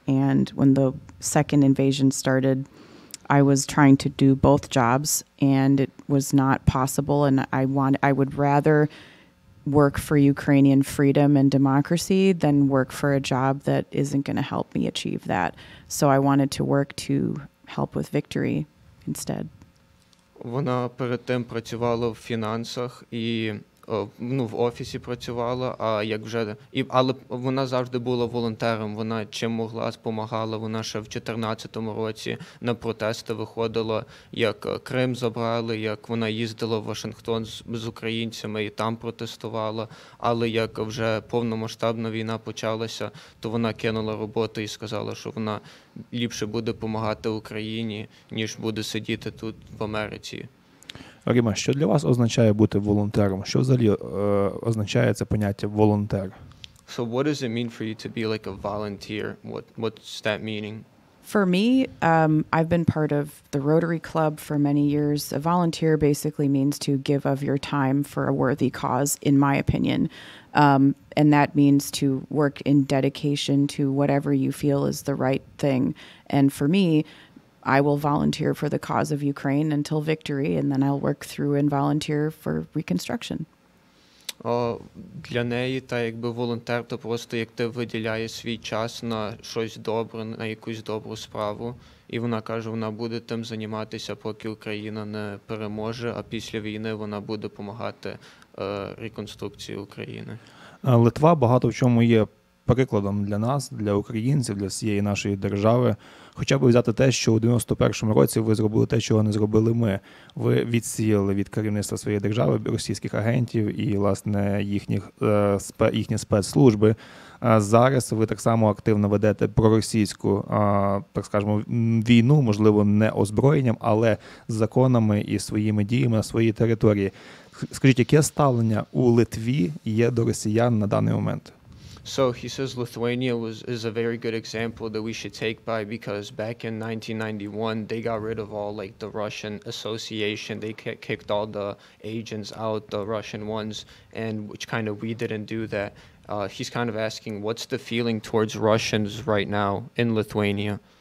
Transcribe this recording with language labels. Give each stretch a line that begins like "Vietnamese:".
English: And when the second invasion started, I was trying to do both jobs, and it was not possible. And I would rather work for Ukrainian freedom and democracy than work for a job that isn't going to help me achieve that. So I wanted to work to help with victory instead.
Ukrainian: Вона перед тим працювала в фінансах і, ну, в офісі працювала, а як вже і, але вона завжди була волонтером. Вона чим могла, допомагала. Вона ще в 2014 році на протести виходила, як Крим забрали, як вона їздила в Вашингтон з українцями і там протестувала. Але як вже повномасштабна війна почалася, то вона кинула роботу і сказала, що вона ліпше буде допомагати Україні, ніж буде сидіти тут в Америці. Рима, що для вас означає бути волонтером? Що взагалі означає це поняття волонтер?
English: So what does it mean for you to be like a volunteer? What's that meaning? For me, I've been part of the Rotary Club for many years. A volunteer basically means to give of your time for a worthy cause, in my opinion. And that means to work in dedication to whatever you feel is the right thing. And for me, I will volunteer for the cause of Ukraine until victory, and then I'll work through and volunteer for reconstruction.
Ukrainian: Для неї, та якби волонтер, то просто як ти виділяєш свій час на щось добре, на якусь добру справу. І вона каже, вона буде тим займатися, поки Україна не переможе, а після війни вона буде допомагати реконструкції України. Литва багато в чому є прикладом для нас, для українців, для всієї нашої держави. Хоча б взяти те, що у 91-му році ви зробили те, чого не зробили ми. Ви відсіяли від керівництва своєї держави російських агентів і, власне, їхні спецслужби. Зараз ви так само активно ведете проросійську, так скажемо, війну, можливо, не озброєнням, але з законами і своїми діями на своїй території. Скажіть, яке ставлення у Литві є до росіян на даний момент?
English: So he says Lithuania is a very good example that we should take by, because back in 1991, they got rid of all like the Russian association. They kicked all the agents out, the Russian ones, and which kind of we didn't do that. He's kind of asking, what's the feeling towards Russians right now in Lithuania?